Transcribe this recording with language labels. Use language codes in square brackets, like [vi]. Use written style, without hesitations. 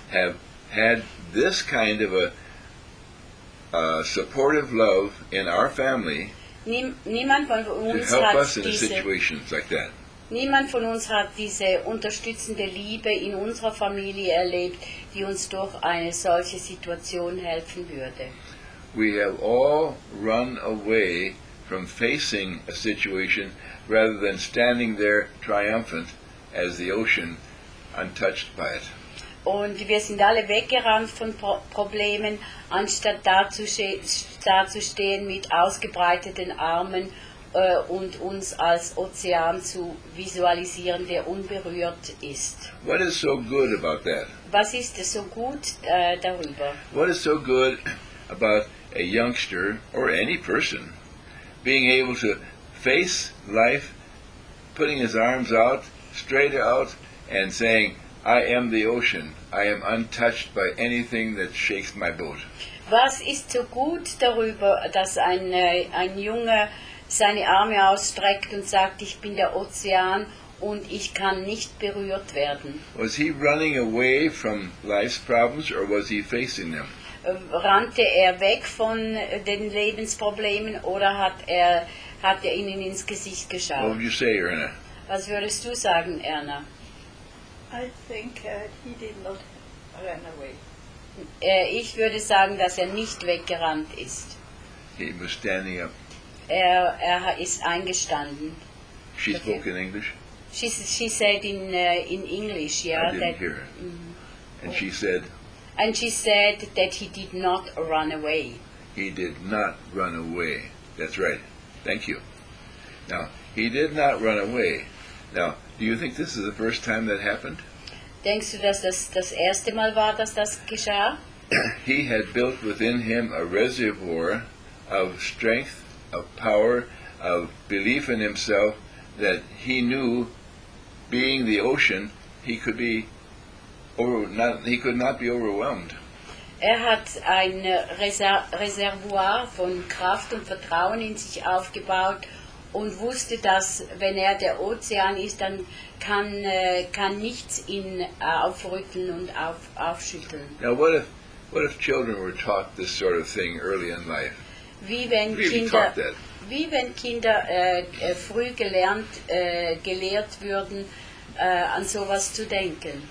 [en] have had this kind of a supportive love in our family. [de] Niemand von uns [en] to help us in situations like that. [de] Niemand von uns hat diese unterstützende Liebe in unserer Familie erlebt, die uns durch eine solche Situation helfen würde. [en] We have all run away from facing a situation rather than standing there triumphant as the ocean untouched by it. [de] Und wir sind alle weggerannt von Problemen, anstatt dazustehen mit ausgebreiteten Armen und uns als Ozean zu visualisieren, der unberührt ist. [en] What is so good about that? [de] Was ist so gut darüber? [en] What is so good about a youngster or any person being able to face life, putting his arms out, straight out, and saying, I am the ocean. I am untouched by anything that shakes my boat. [de] Was ist so gut darüber, dass ein Junge seine Arme ausstreckt und sagt, ich bin der Ozean und ich kann nicht berührt werden. [en] Was he running away from life's problems or was he facing them? [de] Rannte er weg von den Lebensproblemen oder hat er ihnen ins Gesicht geschaut? [en] What would you say, Erna? [de] Was würdest du sagen, Erna? [en] I think he did not run away. [de] Ich würde sagen, dass er nicht weggerannt ist. [en] He was standing up. [de] Er ist eingestanden. [en] She spoke in English? She said in English, yeah. I didn't hear her. Mm-hmm. And she said? And she said that he did not run away. He did not run away. That's right. Thank you. Now, he did not run away. Now, do you think this is the first time that happened? [de] Denkst du, dass das das erste Mal war, dass das geschah? [en] He had built within him a reservoir of strength, of power, of belief in himself, that he knew, being the ocean, he could not be overwhelmed. [de] Er hat ein Reservoir von Kraft und Vertrauen in sich aufgebaut und wusste, dass wenn er der Ozean ist, dann kann nichts ihn aufrütteln und aufschütteln. [en] Now what if children were taught this sort of thing early in life? [de] Wie wenn Kinder früh gelehrt würden, an sowas zu denken.